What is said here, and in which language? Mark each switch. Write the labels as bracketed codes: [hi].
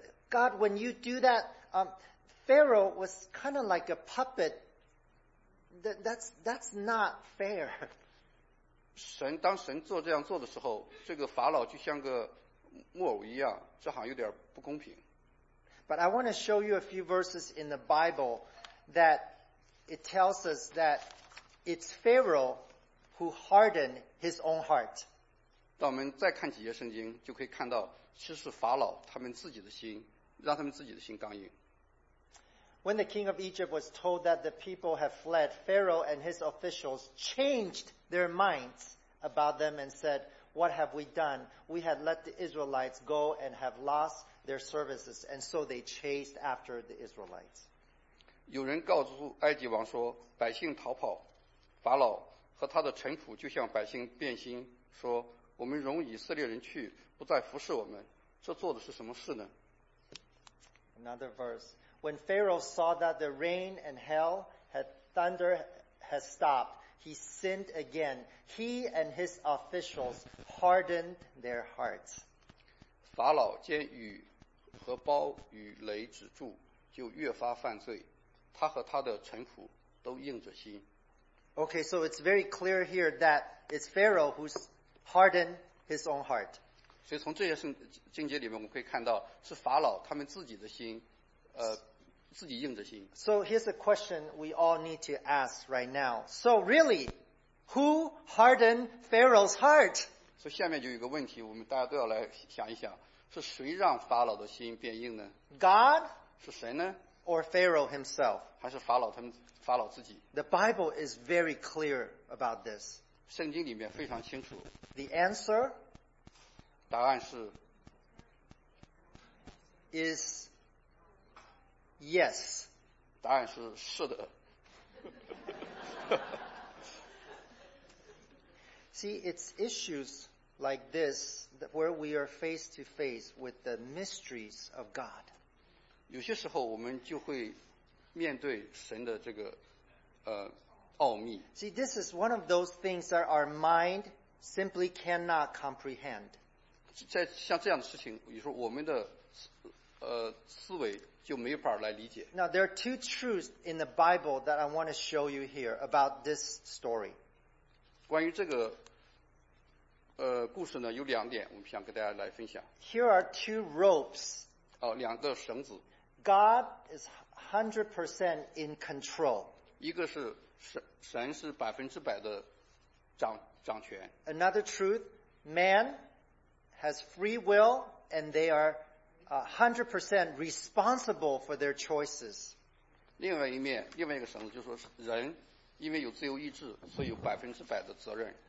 [en] God, when you do that, Pharaoh was kind of like a puppet. That's not fair. [zh] 神当神做这样做的时候，这个法老就像个木偶一样，这好像有点不公平。 [en] But I want to show you a few verses in the Bible that it tells us that it's Pharaoh who hardened his own heart. [zh] 当我们再看几节圣经，就可以看到，其实法老他们自己的心，让他们自己的心刚硬。 [en] When the king of Egypt was told that the people had fled, Pharaoh and his officials changed their minds about them and said, "What have we done? We had let the Israelites go and have lost their services." And so they chased after the Israelites. [zh] 有人告诉埃及王说，百姓逃跑，法老和他的臣仆就向百姓变心说。我们容以色列人去，不再服侍我们，这做的是什么事呢？ [en] Another verse. When Pharaoh saw that the rain and hail had thunder had stopped, he sinned again. He and his officials hardened their hearts. [zh] 法老见雨和暴雨雷止住，就越发犯罪，他和他的臣仆都硬着心。 [en] Okay, so it's very clear here that it's Pharaoh who'sHarden his own heart. [zh] 所以从这些经节里面我们可以看到是法老他们自己的心自己硬着心。 [en] So here's a question we all need to ask right now. So really, who hardened Pharaoh's heart? [zh] 所以下面就有一个问题我们大家都要来想一想是谁让法老的心变硬呢 [en] ?God? [zh] 是谁呢 [en] ?Or Pharaoh himself? [zh] 还是法老他们法老自己 [en] ?The Bible is very clear about this. [zh] 圣经里面非常清楚。 [en] The answer, [zh] 答案是 [en] is yes. [zh] 答案是是的。 [en] See, it's issues like this where we are face to face with the mysteries of God. [zh] 有些时候我们就会面对神的这个奥秘。 [en] See, this is one of those things that our mind simply cannot comprehend. [zh] 在像这样的事情，比如说我们的思维就没法来理解。 [en] Now, there are two truths in the Bible that I want to show you here about this story. [zh] 关于这个故事呢，有两点我们想跟大家来分享。 [en] Here are two ropes. [zh] 哦，两个绳子。 [en] God is 100% in control. [zh] 一个是神是百分之百的掌权。 [en] Another truth, man has free will and they are 100% responsible for their choices. [zh] 另外一个绳子就是说人因为有自由意志所以有百分之百的责任。